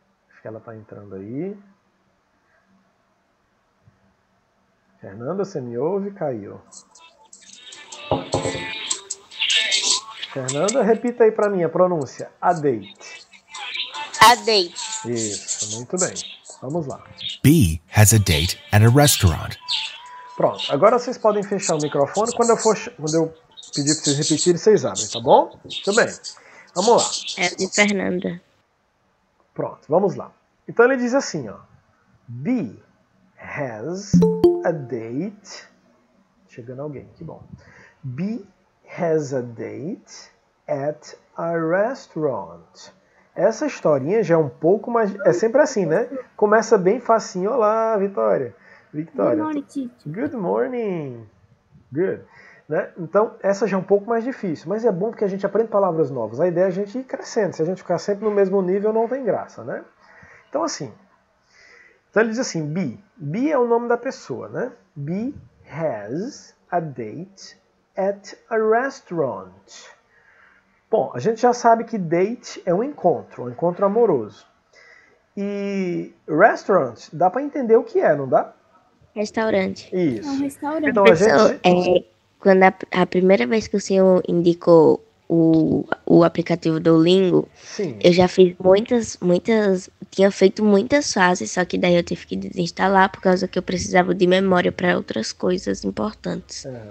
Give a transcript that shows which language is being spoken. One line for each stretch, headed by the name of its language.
Portuguese: Acho que ela está entrando aí. Fernanda, você me ouve? Caiu. Fernanda, repita aí para mim a pronúncia.
English: A date. Adeus.
Portuguese: Isso, muito bem. Vamos lá.
English: B has a date at a restaurant.
Portuguese: Pronto. Agora vocês podem fechar o microfone. Quando eu pedir para vocês repetirem, vocês abrem, tá bom? Muito bem. Vamos lá. É de Fernanda. Pronto, vamos lá. Então ele diz assim, ó.
English: B has a date.
Portuguese: Chegando alguém, que bom.
English: B has a date at a restaurant.
Portuguese: Essa historinha já é um pouco mais... É sempre assim, né? Começa bem facinho. Olá, Vitória. Victoria.
English: Good morning, Tito. Good morning. Good.
Portuguese: Né? Então, essa já é um pouco mais difícil. Mas é bom porque a gente aprende palavras novas. A ideia é a gente ir crescendo. Se a gente ficar sempre no mesmo nível, não tem graça, né? Então, assim. Então, ele diz assim, B. B é o nome da pessoa, né?
English: B has a date at a restaurant.
Portuguese: Bom, a gente já sabe que date é um encontro amoroso. E restaurant, dá para entender o que é, não dá? Restaurante. Isso. É um restaurante. Então, professor, gente... quando a primeira vez que o senhor indicou o aplicativo Duolingo, eu já fiz muitas, tinha feito muitas fases, só que daí eu tive que desinstalar por causa que eu precisava de memória para outras coisas importantes.